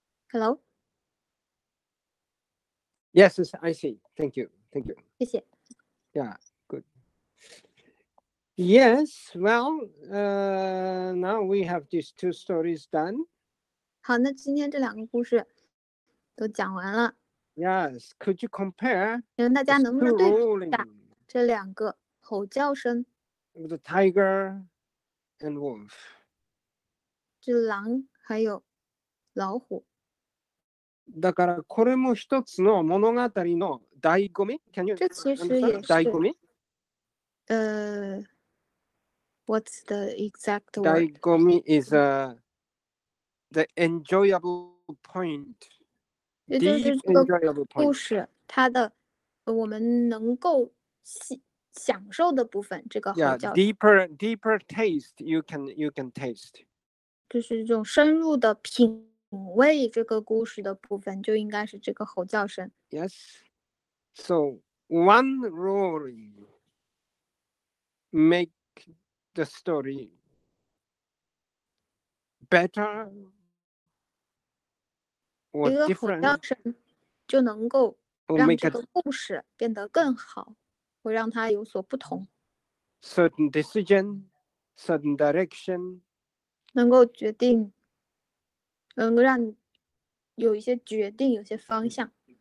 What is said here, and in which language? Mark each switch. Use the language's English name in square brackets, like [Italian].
[English] Hello? Yes, I see. Thank you. [Chinese] 谢谢。 [English] Yeah, good. Yes, well, now we have these two stories done. [Chinese] 好，那今天这两个故事都讲完了。 [English] Yes, could you compare? [Chinese] 大家能不能对比这两个吼叫声 [English] ？The tiger and wolf. [Chinese] 这狼还有老虎。 [Japanese] だからこれも一つの物語の醍醐味。 [English] Can you [Chinese] 这其实也是醍醐味。 [English] What's the exact word? 醍醐味 is the enjoyable point. [Chinese] 这就是这个故事它的我们能够享受的部分。这个好叫 [English] deeper taste. You can taste. [Chinese] 就是这种深入的品。为这个故事的部分就应该是这个吼叫声。 [English] Yes, so one roaring make the story better or different. [Chinese] 一个吼叫声就能够让这个故事变得更好，会让它有所不同。 [English] Certain decision, certain direction. [Chinese] 能够决定。能够让有一些决定，有些方向。